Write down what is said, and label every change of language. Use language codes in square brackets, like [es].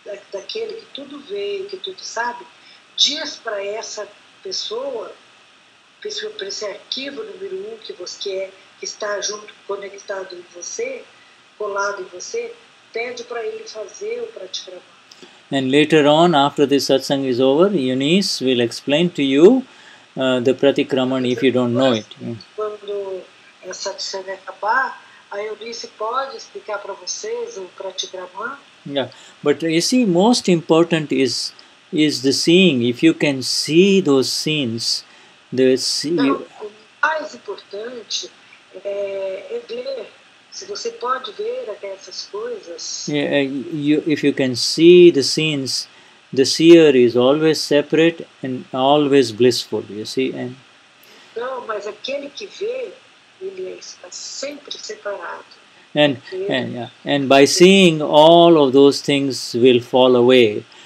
[pt] daquele que tudo vê, que tudo sabe, diz para essa pessoa, para esse arquivo número um que você quer, que está junto, conectado em você, colado em você, pede para ele fazer o pratikrama. [en] And later on, after this satsang is over, Eunice will explain to you the pratikraman if you don't know it. [pt] Quando a satsang acabar, a Eunice pode explicar para vocês o pratikrama. [en] Yeah, but you see, most important is the seeing. If you can see those scenes, [pt] o mais importante é ver. Se você pode ver aquelas coisas. [en] Yeah, if you can see the scenes, the seer is always separate and always blissful, you see. [pt] Mas aquele que vê, ele está sempre separado. [en] And by seeing, all of those things will fall away.